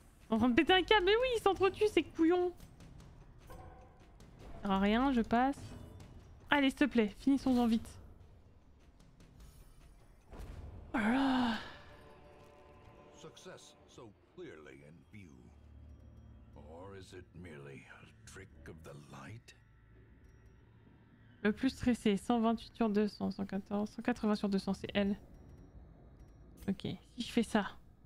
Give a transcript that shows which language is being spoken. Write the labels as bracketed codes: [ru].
[fr] En train de péter un câble, mais oui, ils s'entretuent, ces couillons. Ça sert à rien, je passe. Allez, s'il te plaît, finissons-en vite. Voilà. [en] Success so clearly in view. Or is it merely a trick of the light? [fr] Le plus stressé, 128 sur 200, 114, 180 sur 200, c'est elle. Ok, si je fais ça.